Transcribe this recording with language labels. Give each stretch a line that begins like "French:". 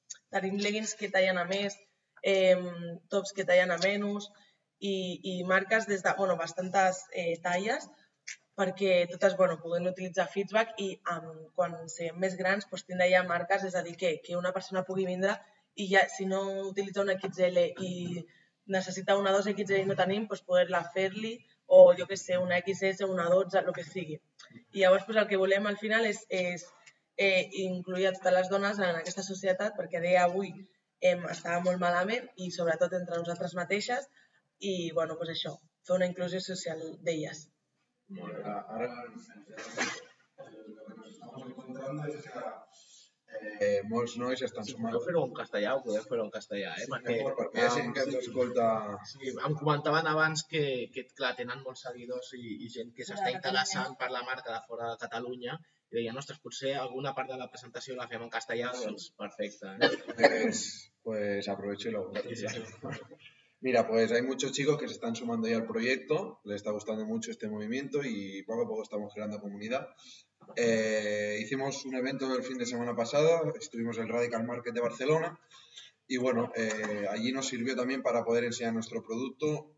Catalan: Tenim leggings que tallen a més, tops que tallen a menys, i marques des de, bueno, bastantes talles, perquè totes, bueno, podem utilitzar feedback i quan siguem més grans, doncs tindrà ja marques, és a dir, que una persona pugui vindre i ja, si no utilitza una XL i necessita una 2XL i no tenim, doncs poder-la fer-li, o jo que sé, una XS, una 12, el que sigui. I llavors, doncs el que volem al final és incluir a totes les dones en aquesta societat, perquè deia avui estava molt malament, i sobretot entre nosaltres mateixes, i bueno, doncs això, fer una inclusió social d'elles.
Spanish: Ahora lo que nos estamos encontrando es que muchos nois están sumando. Si puedo hacer un castellano, puedes hacer un castellano, ¿eh? Sí, porque hay gente que nos escucha... Sí, em comentaban abans que claro, tienen muchos seguidores y gente que se está interesando por la marca de fuera de Cataluña.
Catalan: Y deia, ostres, potser alguna part de la presentació la fem en castellà, sí. Doncs perfecte.
Spanish: Pues aprovecho y lo hago. Mira, pues hay muchos chicos que se están sumando ya al proyecto, les está gustando mucho este movimiento y poco a poco estamos creando comunidad. Hicimos un evento el fin de semana pasada, estuvimos en el Radical Market de Barcelona y bueno, allí nos sirvió también para poder enseñar nuestro producto.